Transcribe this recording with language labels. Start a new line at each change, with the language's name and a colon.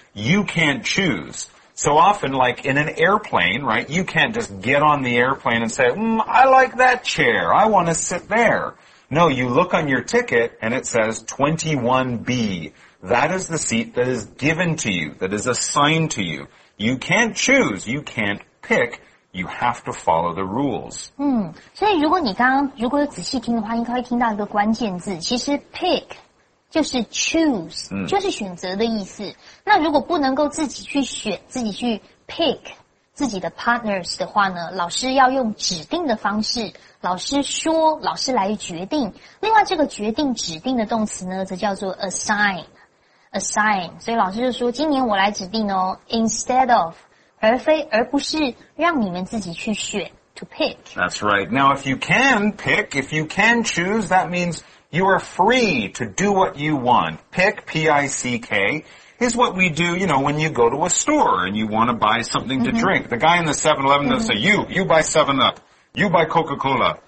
English: You can't choose. So often, like in an airplane, right, you can't just get on the airplane and say, I like that chair. I want to sit there. No, you look on your ticket and it says 21B. That is the seat that is given to you, that is assigned to you. You can't choose. You can't pick. You have to follow the rules.
Chinese: 所以如果你刚刚如果仔细听的话，应该会听到一个关键字。其实 pick 就是 choose，就是选择的意思。那如果不能够自己去选，自己去 pick 自己的 partners 的话呢，老师要用指定的方式，老师说，老师来决定。另外这个决定指定的动词呢，则叫做 assign。所以老师就说，今年我来指定哦 ，
English: instead of。
Chinese: 而非而不是让你们自己去选
English: to pick. That's right. Now, if you can pick, if you can choose, that means you are free to do what you want. Pick, P-I-C-K, is what we do, you know, when you go to a store and you want to buy something to drink. The guy in the 7-Eleven doesn't say, you buy 7-Up, you buy Coca-Cola,